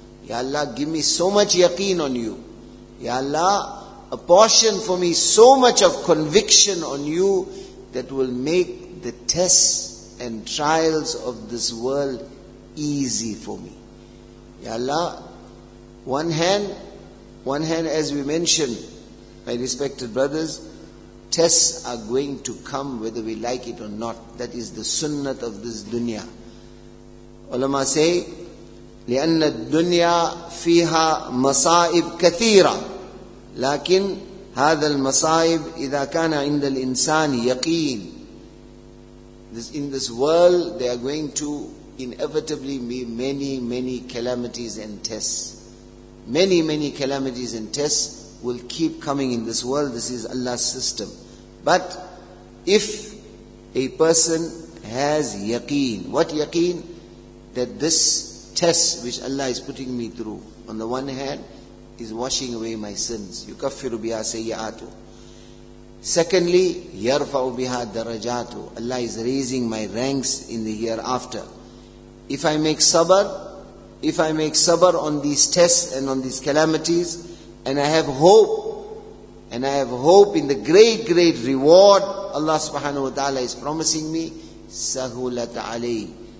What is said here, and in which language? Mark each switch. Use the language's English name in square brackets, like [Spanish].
[English] Ya Allah, give me so much yaqeen on you. Ya Allah, apportion for me so much of conviction on you that will make the tests and trials of this world easy for me. Ya Allah, one hand, as we mentioned, my respected brothers, tests are going to come whether we like it or not. That is the sunnat of this dunya. Ulama say, [Arabic] لِأَنَّ الدُّنْيَا فِيهَا مَصَائِبْ كَثِيرًا لَكِنْ هَذَا الْمَصَائِبْ إِذَا كَانَ عِنْدَ الْإِنسَانِ يَقِينٌ. [English] In this world, there are going to inevitably be many, many calamities and tests. Many, many calamities and tests will keep coming in this world. This is Allah's system. But if a person has yaqeen, what yaqeen? That this test which Allah is putting me through, on the one hand, is washing away my sins. [Arabic] يُكَفِّرُ بِهَا سَيِّعَاتُ. [English] Secondly, [Arabic] يَرْفَعُ بِهَا دَرَجَاتُ. [English] Allah is raising my ranks in the hereafter. If I make sabr on these tests and on these calamities, and I have hope in the great, great reward Allah subhanahu wa ta'ala is promising me, sahulat alay.